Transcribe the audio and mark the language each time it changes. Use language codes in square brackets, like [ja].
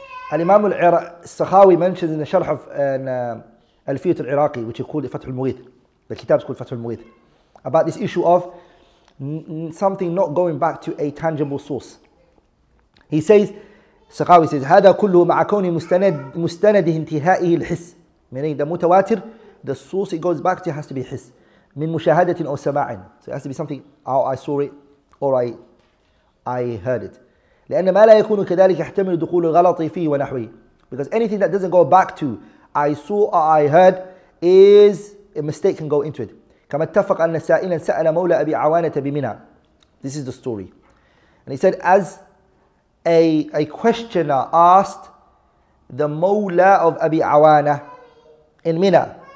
[en] An Imam al-Sakhawi mentions in the Sharh of Alfiyat al-Iraqi, which is called Fath al-Mughith. The kitab is called Fath al-Mughith. About this issue of something not going back to a tangible source. He says, Sakhawi says, [ar] هذا كله مع كون مستنده انتهائه الحس. [en] Meaning the mutawatir, the source it goes back to has to be his. [ar] من مشاهدة أو سماع. [en] So it has to be something, oh, I saw it, or I heard it. [ar] لأن ما لا يكون كذلك يحتمل دخول الغلط فيه ونحوه. [en] Because anything that doesn't go back to I saw or I heard is a mistake can go into it. [ar] كما اتفق أن سائلا سأل مولى أبي عوانة بمنى. [en] This is the story. And he said, as a questioner asked the مولى of أبي عوانة in منى.